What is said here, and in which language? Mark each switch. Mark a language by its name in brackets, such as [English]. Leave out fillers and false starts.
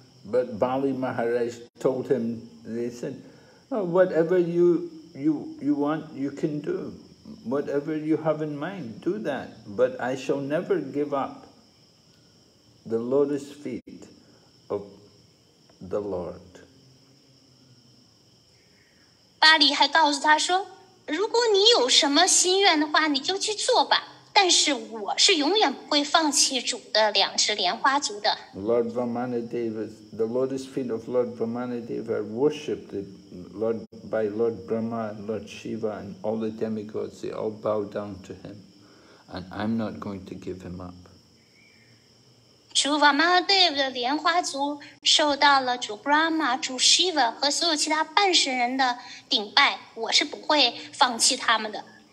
[English] But Bali Maharaj told him, they said, whatever you want, you can do. Whatever you have in mind, do that. But I shall never give up the lotus feet of the Lord. [Chinese] 巴利还告诉他说，如果你有什么心愿的话，你就去做吧。但是我是永远不会放弃主的两只莲花足的。 [English] Lord Vamanadeva, the lotus feet of Lord Vamanadeva are worshipped by Lord Brahma and Lord Shiva and all the demigods. They all bow down to him, and I'm not going to give him up. [Chinese] 主 Vamanadeva 的莲花足受到了主 Brahma、主 Shiva 和所有其他半神人的顶拜，我是不会放弃他们的。